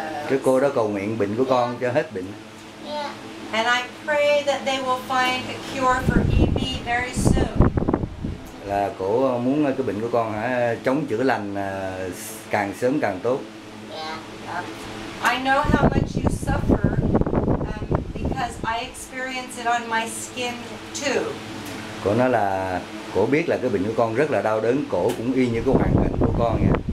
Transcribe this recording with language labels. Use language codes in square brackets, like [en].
[vi] Cái cô đó cầu nguyện bệnh của con cho hết bệnh. Yeah. [en] And I pray that they will find a cure for EB very soon. [vi] Là cô muốn cái bệnh của con hả chống chữa lành càng sớm càng tốt. Yeah. [en] I know how much you suffer because I experience it on my skin too. [vi] Cô nói là cô biết là cái bệnh của con rất là đau đớn, cổ cũng y như cái hoàn cảnh của con nha.